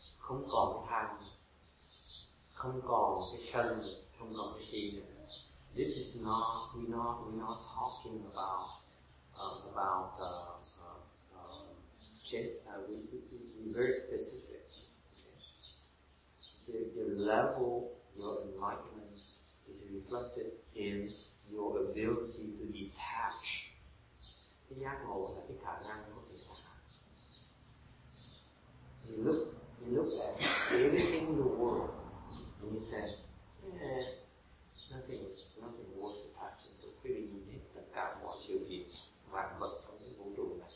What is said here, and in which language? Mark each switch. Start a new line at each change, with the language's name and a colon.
Vietnamese: Không còn cái tham, không còn cái sân, không còn cái si.
English: This is not, we're not talking about very specific. The level your enlightenment is reflected in your ability to detach. You look at everything in the world and you say, nothing worth attaching to. Pretty you need the God wants you to be
Vietnamese: vạn vật trong cái vũ trụ này.